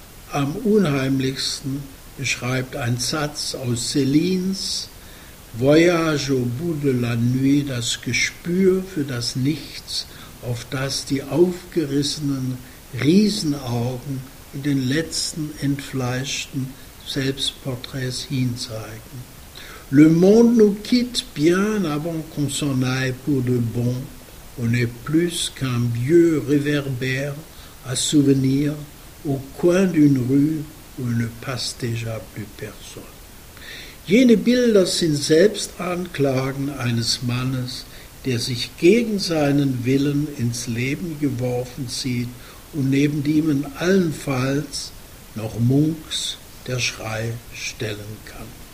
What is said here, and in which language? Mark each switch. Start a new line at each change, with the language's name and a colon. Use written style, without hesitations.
German: Am unheimlichsten beschreibt ein Satz aus Celines Voyage au bout de la nuit, das Gespür für das Nichts, auf das die aufgerissenen Riesenaugen in den letzten entfleischten Selbstporträts hinzeigen.
French: Le monde nous quitte bien avant qu'on s'en aille pour de bon. On est plus qu'un vieux réverbère à souvenir au coin d'une rue où ne passe déjà plus personne.
German: Jene Bilder sind Selbstanklagen eines Mannes, der sich gegen seinen Willen ins Leben geworfen sieht und neben ihm in allenfalls noch Munks der Schrei stellen kann.